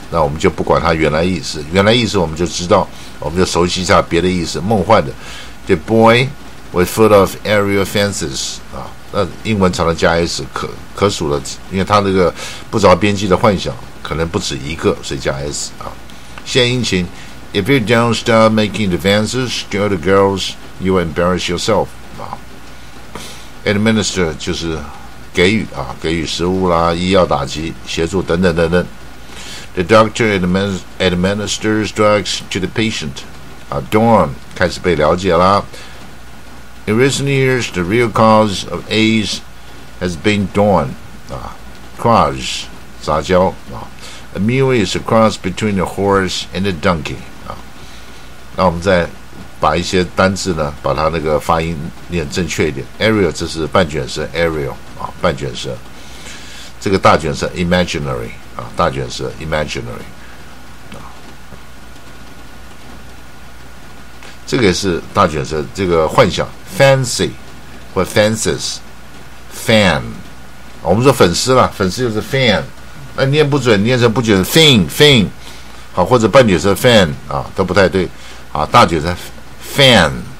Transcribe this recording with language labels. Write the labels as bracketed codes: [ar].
[zh] 那我们就不管它原来意思，原来意思我们就知道，我们就熟悉一下别的意思，梦幻的 [en] the boy was full of aerial fences [zh] 啊，那英文常常加 s， 可数的，因为他那个不着边际的幻想可能不止一个，所以加 s 啊。献殷勤 [en] ，If you don't start making advances to the girls, you embarrass yourself 啊。 [zh] Administer 就是给予啊，给予食物啦、医药打击、协助等等等等。 [en] The doctor administers drugs to the patient 啊。 [zh] Dawn 开始被了解啦。 [en] In recent years, the real cause of AIDS has been dawn, cross, [zh] 杂交、 [en] A mule is a cross between a horse and a donkey, [zh] 那我们再把一些单字呢，把它那个发音念正确一点。 Aerial 这是半卷舌 ，aerial 啊，半卷舌。这个大卷舌 imaginary 啊，大卷舌 imaginary。这个也是大卷舌，这个幻想 fancy 或 fences fan， 我们说粉丝啦，粉丝就是 fan， 那念不准，念成不准 fin 好，或者半卷舌 fan 啊，都不太对啊，大卷舌 fan